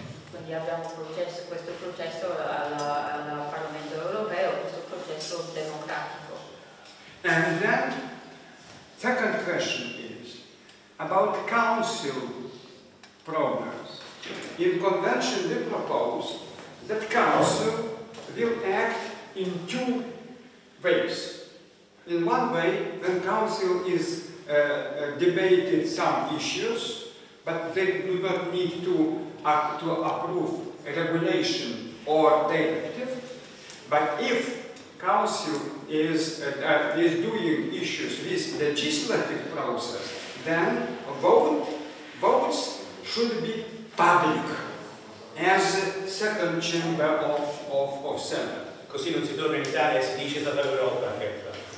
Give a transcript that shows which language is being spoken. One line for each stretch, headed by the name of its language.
Italian: Quindi abbiamo questo processo al Parlamento Europeo, questo processo democratico.
English: And then, second question is about council programs. In convention we propose that council will act in two ways. In one way, when council is debating some issues, but they do not need to approve a regulation or directive. But if council is doing issues with legislative process, then votes should be public as a second chamber of Senate.
Italian: Così non si torna in Italia e si dice stata l'Europa che